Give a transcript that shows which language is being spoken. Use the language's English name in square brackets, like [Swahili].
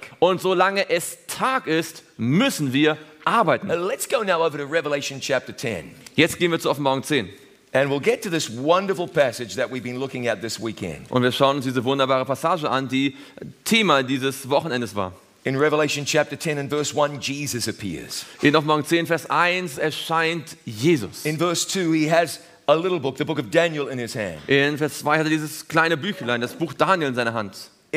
[German] Und solange es Tag ist, müssen wir arbeiten. [English] Let's go now over to Revelation chapter 10. [German] Jetzt gehen wir zu Offenbarung 10. [English] And we'll get to this wonderful passage that we've been looking at this weekend. [German] Und wir schauen uns diese wunderbare Passage an, die Thema dieses Wochenendes war. [English] In Revelation chapter 10 and verse 1, Jesus appears. [German] In Offenbarung 10 Vers 1 erscheint Jesus. [English] In verse 2 he has a little book, the book of Daniel, in his hand. [German] In Vers 2 hat er dieses kleine Büchlein, das Buch Daniel, in seiner Hand.